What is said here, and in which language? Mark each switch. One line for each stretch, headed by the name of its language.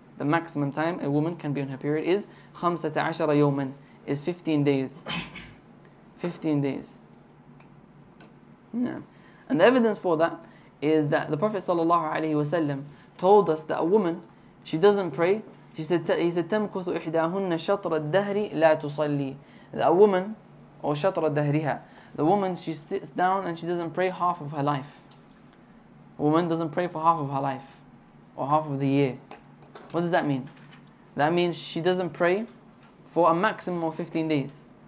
English: The maximum time a woman can be on her period is 15 yawman, is 15 days. 15 days. Yeah. And the evidence for that is that the Prophet sallallahu alaihi wasallam told us that a woman, she doesn't pray.
Arabic: He said, تَمْكُثُ إِحْدَاهُنَّ شَطْرَ الدَّهْرِ لَا تُصَلِّي.
English: That a woman, or
Arabic: shatra dahriha,
English: the woman, she sits down and she doesn't pray half of her life. A woman doesn't pray for half of her life or half of the year. What does that mean? That means she doesn't pray for a maximum of 15 days.